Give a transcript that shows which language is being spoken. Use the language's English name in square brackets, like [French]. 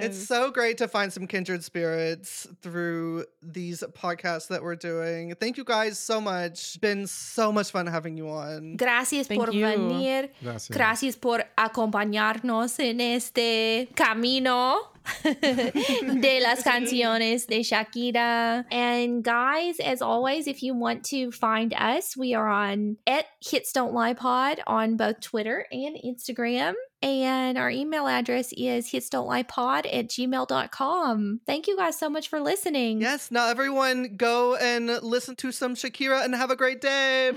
[English] It's so great to find some kindred spirits through these podcasts that we're doing. Thank you guys so much. Been so much fun having you on. Gracias Thank por you. Venir. [Spanish] Gracias. Gracias por acompañarnos en este camino de las canciones de Shakira. [English] And guys, as always, if you want to find us, we are on @hitsdontliepod on both Twitter and Instagram. And our email address is hitsdontliepod@gmail.com. Thank you guys so much for listening. Yes. Now everyone go and listen to some Shakira and have a great day.